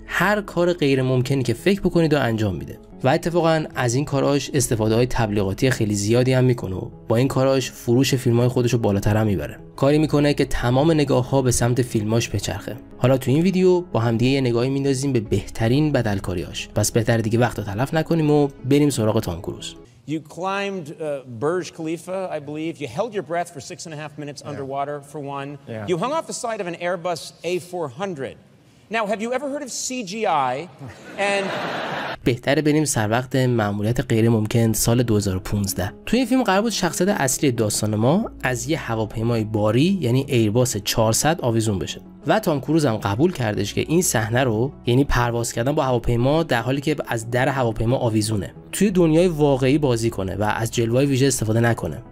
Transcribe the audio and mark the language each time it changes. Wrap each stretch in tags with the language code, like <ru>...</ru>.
<fa>هر کار غیر ممکنی که فکر بکنید و انجام میده و اتفاقا از این کاراش استفاده های تبلیغاتی خیلی زیادی هم میکنه و با این کاراش فروش فیلم های خودشو بالاتر هم میبره. کاری میکنه که تمام نگاه ها به سمت فیلماش بچرخه. حالا تو این ویدیو با همدیگه یه نگاهی میندازیم به بهترین بدلکاری هاش. پس بهتر دیگه وقت رو تلف نکنیم و بریم سراغ تام کروز.</fa> <en>You climbed Burj Khalifa, I believe. You held your breath for 6.5 minutes underwater, for one. Yeah. You hung off the side of an Airbus A400. Now, have you ever heard of CGI? And</en> <fa>بهتره بریم سر وقت مأموریت غیر ممکن سال 2015. توی این فیلم قرار بود شخصیت اصلی داستان ما از یه هواپیمای باری یعنی ایرباس 400 آویزون بشه و تام کروز هم قبول کردش که این صحنه رو، یعنی پرواز کردن با هواپیما در حالی که از در هواپیما آویزونه، توی دنیای واقعی بازی کنه و از جلوه‌های ویژه استفاده نکنه.</fa>